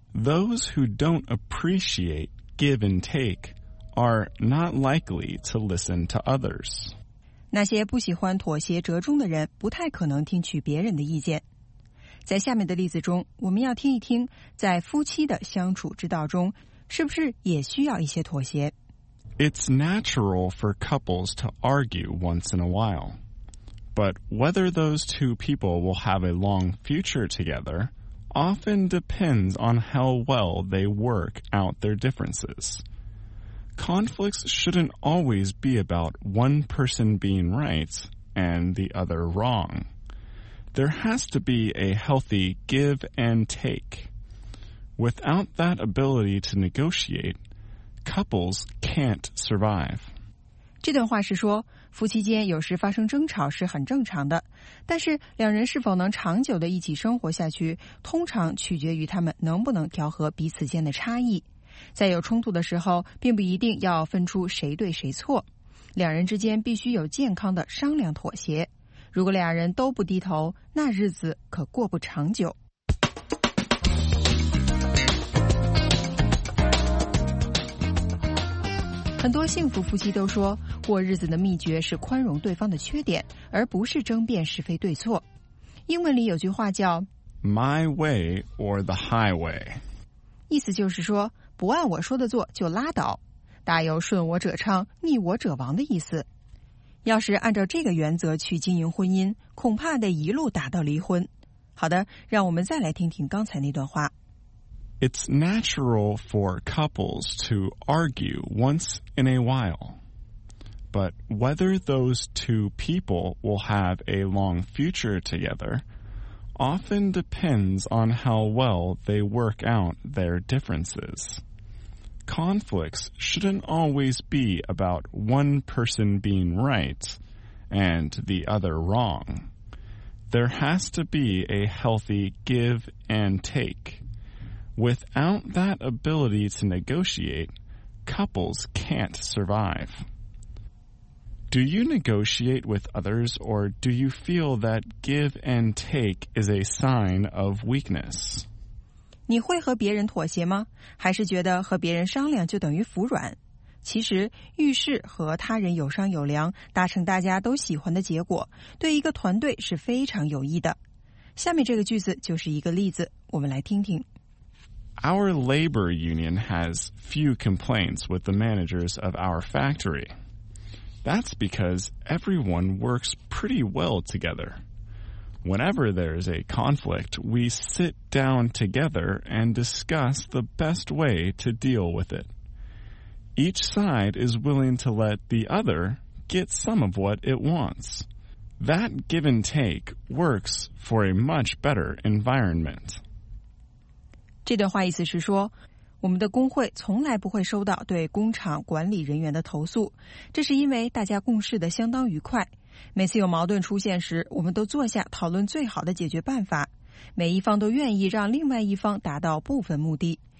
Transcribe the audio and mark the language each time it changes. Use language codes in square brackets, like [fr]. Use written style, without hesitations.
[en] Those who don't appreciate give and take are not likely to listen to others. [zh] 那些不喜欢妥协折中的人不太可能听取别人的意见在下面的例子中我们要听一听在夫妻的相处之道中是不是也需要一些妥协 [en] It's natural for couples to argue once in a while. But whether those two people will have a long future together often depends on how well they work out their differences. Conflicts shouldn't always be about one person being right and the other wrong. There has to be a healthy give and take. Without that ability to negotiate, couples can't survive. [zh] 这段话是说，夫妻间有时发生争吵是很正常的，但是两人是否能长久的一起生活下去，通常取决于他们能不能调和彼此间的差异。在有冲突的时候，并不一定要分出谁对谁错，两人之间必须有健康的商量妥协。如果两人都不低头，那日子可过不长久。很多幸福夫妻都说，过日子的秘诀是宽容对方的缺点，而不是争辩是非对错。英文里有句话叫 [en] My way or the highway， [zh] 意思就是说不按我说的做就拉倒，大有顺我者昌逆我者亡的意思。要是按照这个原则去经营婚姻，恐怕得一路打到离婚。好的，让我们再来听听刚才那段话。 [en] It's natural for couples to argue once in a while. But whether those two people will have a long future together often depends on how well they work out their differences. Conflicts shouldn't always be about one person being right and the other wrong. There has to be a healthy give and take. Without that ability to negotiate, couples can't survive. Do you negotiate with others, or do you feel that give and take is a sign of weakness? [zh] 你会和别人妥协吗？还是觉得和别人商量就等于服软？其实，遇事和他人有商有量，达成大家都喜欢的结果，对一个团队是非常有益的。下面这个句子就是一个例子，我们来听听。 [en] Our labor union has few complaints with the managers of our factory. That's because everyone works pretty well together. Whenever there's a conflict, we sit down together and discuss the best way to deal with it. Each side is willing to let the other get some of what it wants. That give and take works for a much better environment. [zh] 这段话意思是说，我们的工会从来不会收到对工厂管理人员的投诉，这是因为大家共事的相当愉快。每次有矛盾出现时，我们都坐下讨论最好的解决办法，每一方都愿意让另外一方达到部分目的。